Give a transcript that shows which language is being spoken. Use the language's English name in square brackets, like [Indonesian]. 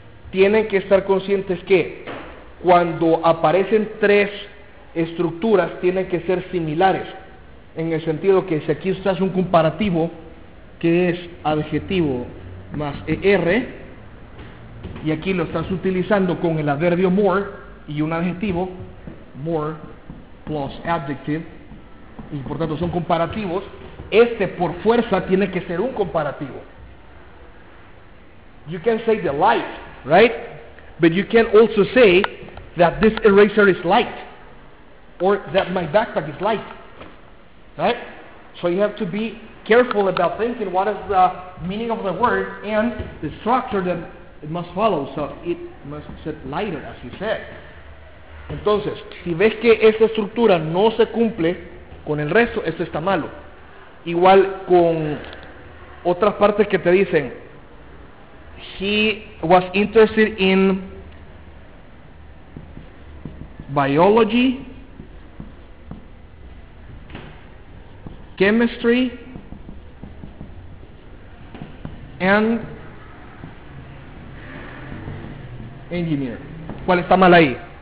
[Spanish] Tienen que estar conscientes que cuando aparecen tres estructuras tienen que ser similares, en el sentido que si aquí usas un comparativo que es adjetivo más er, y aquí lo estás utilizando con el adverbio more y un adjetivo, [English] more plus adjective, [Spanish] y por tanto son comparativos, este por fuerza tiene que ser un comparativo. [English] You can say the light, right? But you can also say that this eraser is light, or that my backpack is light, right? So you have to be careful about thinking what is the meaning of the word and the structure that it must follow, so it must set lighter, as you said. [Spanish] Entonces, si ves que esa estructura no se cumple con el resto, eso está malo. Igual con otras partes que te dicen, [English] he was interested in biology, chemistry, and engineer. [Spanish] ¿Cuál está mal ahí?